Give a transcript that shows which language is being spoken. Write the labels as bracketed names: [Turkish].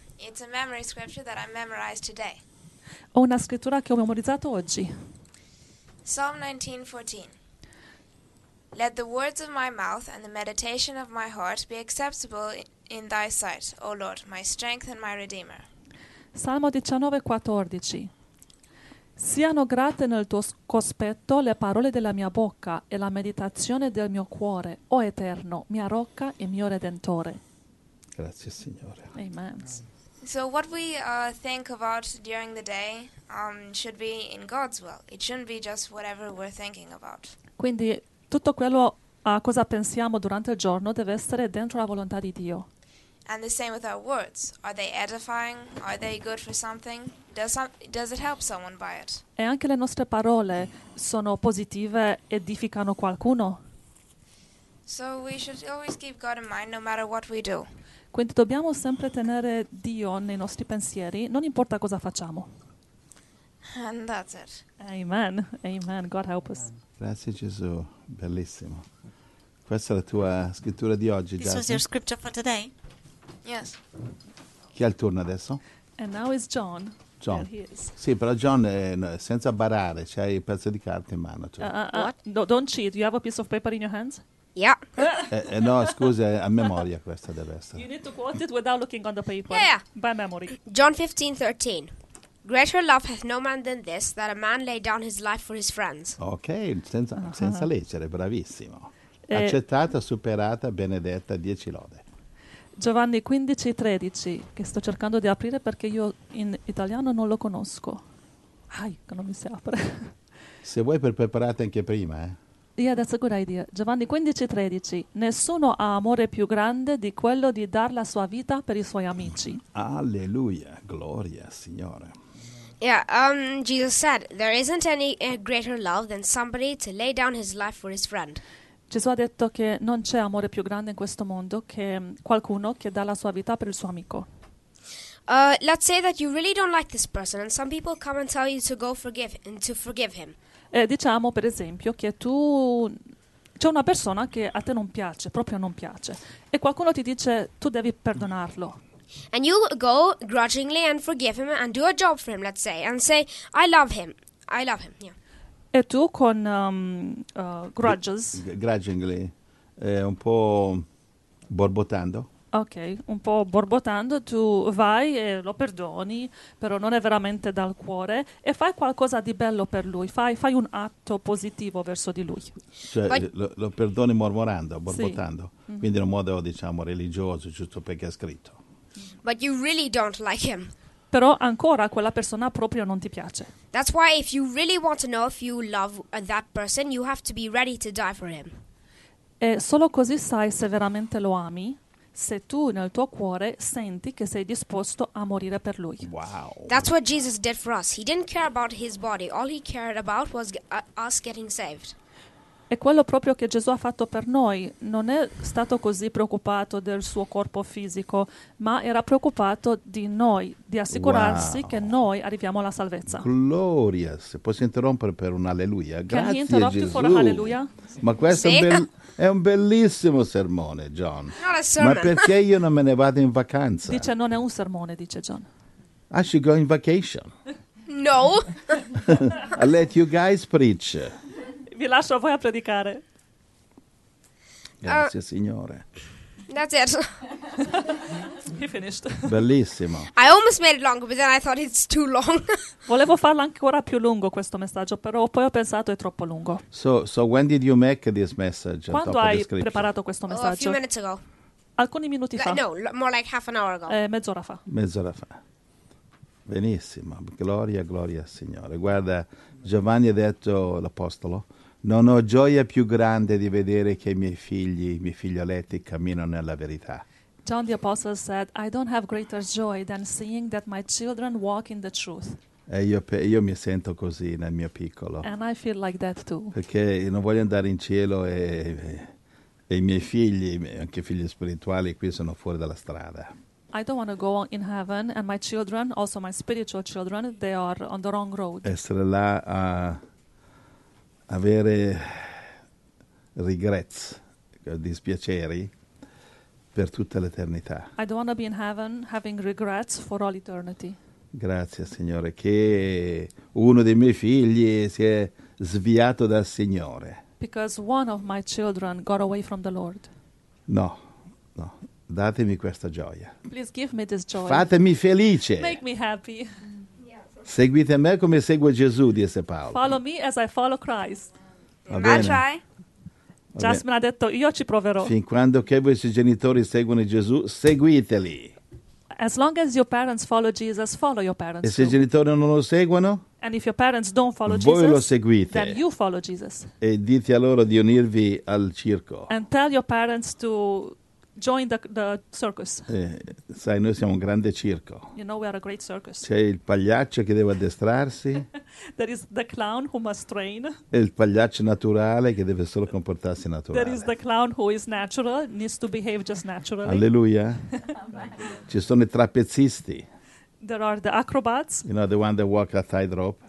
[English] It's a memory scripture that I memorized today. [Italian] Ho una scrittura che ho memorizzato oggi. [English] Psalm 19:14. Let the words of my mouth and the meditation of my heart be acceptable in thy sight, O Lord, my strength and my redeemer. [Italian] Salmo 19:14. Siano grate nel tuo cospetto le parole della mia bocca e la meditazione del mio cuore, o Eterno, mia rocca e mio redentore. Grazie, Signore. Amen. [English] So what we think about during the day should be in God's will. It shouldn't be just whatever we're thinking about. [Italian] Quindi tutto quello a cosa pensiamo durante il giorno deve essere dentro la volontà di Dio. [English] And the same with our words. Are they edifying? Are they good for something? Does it help someone by it? [Italian] E anche le nostre parole sono positive, edificano qualcuno? [English] So we should always keep God in mind no matter what we do. [Italian] Quindi dobbiamo sempre tenere Dio nei nostri pensieri, non importa cosa facciamo. [English] And that's it. Amen. Amen. God help us. [Italian] Grazie Gesù, bellissimo. Questa è la tua scrittura di oggi, [English] Jasmine. This was your scripture for today. Yes. [Italian] Chi ha il turno adesso? [English] And now is John. John. [Italian] Sì, però John, senza barare, c'hai il pezzo di carta in mano. Cioè. [English] What? No, don't cheat. You have a piece of paper in your hands? Yeah. [Italian] No, scusa, a memoria questa deve essere. [English] You need to quote it without looking on the paper. Yeah. By memory. John 15:13. Greater love hath no man than this, that a man lay down his life for his friends. [Italian] Ok, senza leggere, bravissimo. Accettata, superata, benedetta, 10 lode. Giovanni 15:13, che sto cercando di aprire perché io in italiano non lo conosco. Ai, che non mi si apre. Se vuoi per preparate anche prima, eh. [English] Yeah, that's a good idea. Giovanni 15:13. [Italian] Nessuno ha amore più grande di quello di dar la sua vita per i suoi amici. Alleluia, gloria, Signore. [English] Yeah, Jesus said, there isn't any greater love than somebody to lay down his life for his friend. [Italian] Gesù ha detto che non c'è amore più grande in questo mondo che qualcuno che dà la sua vita per il suo amico. [English] Let's say that you really don't like this person and some people come and tell you to go forgive and to forgive him. [Italian] Diciamo per esempio che tu c'è una persona che a te non piace, proprio non piace, e qualcuno ti dice tu devi perdonarlo. [English] And you go grudgingly and forgive him and do a job for him, let's say, and say I love him. I love him. Yeah. [Italian] E tu con grudges. Grudgingly. Un po' borbottando. Ok, un po' borbottando. Tu vai e lo perdoni, però non è veramente dal cuore. E fai qualcosa di bello per lui. Fai un atto positivo verso di lui. Cioè, lo perdoni mormorando, borbottando. Sì. Quindi in un modo, diciamo, religioso, giusto perché è scritto. [English] But you really don't like him. [Italian] Però ancora quella persona proprio non ti piace. [English] That's why if you really want to know if you love that person, you have to be ready to die for him. [Italian] E solo così sai se veramente lo ami, se tu nel tuo cuore senti che sei disposto a morire per lui. [English] Wow. That's what Jesus did for us. He didn't care about his body. All he cared about was us getting saved. [Italian] E quello proprio che Gesù ha fatto per noi, non è stato così preoccupato del suo corpo fisico, ma era preoccupato di noi, di assicurarsi wow. che noi arriviamo alla salvezza. Gloria, se posso interrompere per un alleluia, grazie Gesù. Alleluia? Ma questo è un bellissimo sermone, John. [English] Not a sermon. [Italian] Ma perché io non me ne vado in vacanza? Dice, non è un sermone, dice John. [English] I should go in vacation. No. I let you guys preach. [Italian] Vi lascio a voi a predicare. Grazie, Signore. [English] That's it. He finished. [Italian] Bellissimo. [English] I almost made it longer, but then I thought it's too long. [Italian] Volevo farlo ancora più lungo questo messaggio, però poi ho pensato è troppo lungo. [English] So when did you make this message? [Italian] Quando hai preparato questo messaggio? [English] Oh, a few minutes ago. [Italian] Alcuni minuti fa. [English] No, more like half an hour ago. [Italian] Mezz'ora fa. Mezz'ora fa. Benissimo. Gloria, gloria, Signore. Guarda, Giovanni ha detto, l'apostolo, non ho gioia più grande di vedere che i miei figlioletti camminano nella verità. [English] John the Apostle said, I don't have greater joy than seeing that my children walk in the truth. [Italian] E io mi sento così nel mio piccolo. [English] And I feel like that too. [Italian] Perché non voglio andare in cielo e i miei figli, anche i figli spirituali, qui sono fuori dalla strada. [English] I don't want to go in heaven and my children, also my spiritual children, they are on the wrong road. [Italian] Essere là a... avere regrets, dispiaceri, per tutta l'eternità. [English] I don't want to be in heaven having regrets for all eternity. [Italian] Grazie, Signore, che uno dei miei figli si è sviato dal Signore. [English] Because one of my children got away from the Lord. [Italian] No, no. Datemi questa gioia. [English] Please give me this joy. [Italian] Fatemi felice. [English] Make me happy. [Italian] Seguite me come seguo Gesù, disse Paolo. [English] Follow me as I follow Christ. [Italian] Va bene. [English] I'll try. [Italian] Jasmine ha detto, io ci proverò. Fin quando che voi i genitori seguono Gesù, seguiteli. [English] As long as your parents follow Jesus, follow your parents. [Italian] E se i genitori non lo seguono? [English] And if your parents don't follow [Italian] voi [English] Jesus, [Italian] lo seguite. [English] Then you follow Jesus. [Italian] E dite a loro di unirvi al circo. [English] And tell your parents to join the circus. [Italian] Sai, noi siamo un grande circo. [English] You know we are a great circus. [Italian] C'è il pagliaccio che deve addestrarsi. [English] There is the clown who must train. [Italian] E il pagliaccio naturale che deve solo comportarsi naturale. [English] There is the clown who is natural, needs to behave just naturally. [Italian] Alleluia. Ci sono i trapezisti. [English] There are the acrobats. You know, the one that walk a tightrope.